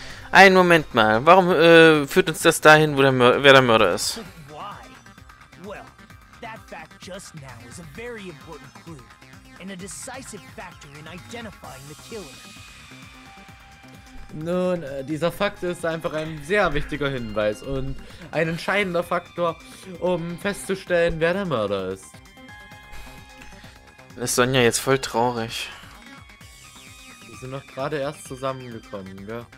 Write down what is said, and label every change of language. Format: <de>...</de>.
<de>Einen Moment mal, warum führt uns das dahin, wo der wer der Mörder ist?</de> <en>Well, that fact just now is a very important clue and a decisive factor in identifying the killer.</en> <de>Nun, dieser Fakt ist einfach ein sehr wichtiger Hinweis und ein entscheidender Faktor, um festzustellen, wer der Mörder ist. Ist Sonya jetzt voll traurig. Wir sind doch gerade erst zusammengekommen, gell?</de>